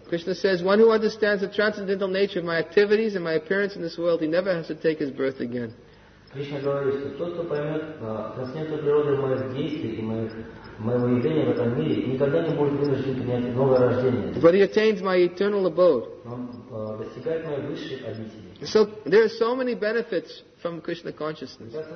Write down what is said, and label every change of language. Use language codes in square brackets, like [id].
[en] Krishna says, one who understands the transcendental nature of my activities and my appearance in this world, he never has to take his birth again. [ru] Krishna говорит, что тот, кто поймет трансцендентную природу моих действий и моего явления в этом мире, никогда не будет вынужден принять новое рождение. [en] But he attains my eternal abode. [ru] Он достигает моей высшей обители. [en] So there are so many benefits from Krishna consciousness.